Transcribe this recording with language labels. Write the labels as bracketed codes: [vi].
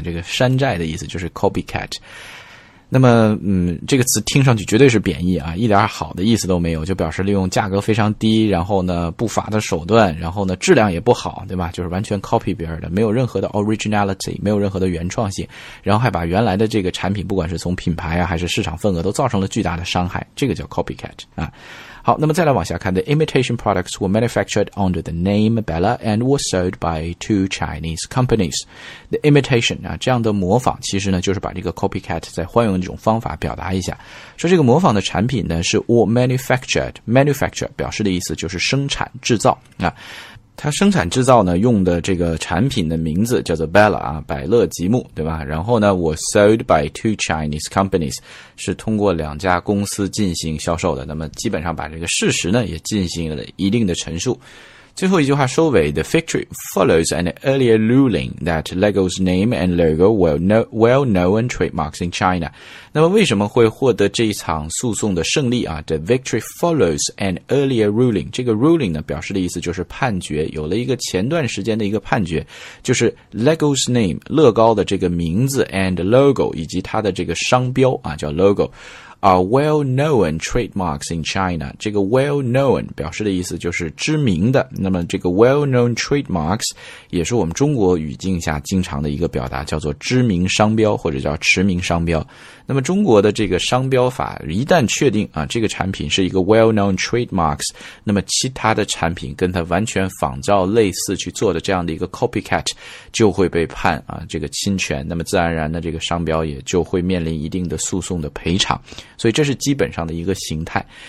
[zh] 这个山寨的意思就是 copycat。那么这个词听上去绝对是贬义啊，一点好的意思都没有，就表示利用价格非常低，然后呢不法的手段，然后呢质量也不好，对吧？就是完全 copy 别人的，没有任何的 originality, 没有任何的原创性，然后还把原来的这个产品不管是从品牌啊还是市场份额都造成了巨大的伤害，这个叫 copycat 啊。好，那么再来往下看 [en] ,the imitation products were manufactured under the name Bella and were sold by two Chinese companies. The imitation, [zh] 啊这样的模仿其实呢就是把这个 copycat 再换用一种方法表达一下。说这个模仿的产品呢是 [en] were manufactured, [zh] manufacture 表示的意思就是生产制造啊。它生产制造呢用的这个产品的名字叫做 Bella, 啊百乐积木，对吧？然后呢 [en] was sold by two Chinese companies, [zh] 是通过两家公司进行销售的，那么基本上把这个事实呢也进行了一定的陈述。最后一句话收尾 [en] ,the victory follows an earlier ruling that Lego's name and logo well known trademarks in China. [zh] 那么为什么会获得这一场诉讼的胜利啊 ? [en] The victory follows an earlier ruling. [zh] 这个 ruling 呢表示的意思就是判决，有了一个前段时间的一个判决，就是 Lego's name, 乐高的这个名字 [en] and logo, [zh] 以及它的这个商标啊叫 logo。 [en] are well-known trademarks in China. [zh] 这个 well-known 表示的意思就是知名的，那么这个 well-known trademarks 也是我们中国语境下经常的一个表达，叫做知名商标或者叫驰名商标。那么中国的这个商标法一旦确定啊，这个产品是一个 well-known trademarks, 那么其他的产品跟它完全仿照类似去做的这样的一个 copycat 就会被判啊这个侵权，那么自然而然的这个商标也就会面临一定的诉讼的赔偿，所以这是基本上的一个形态。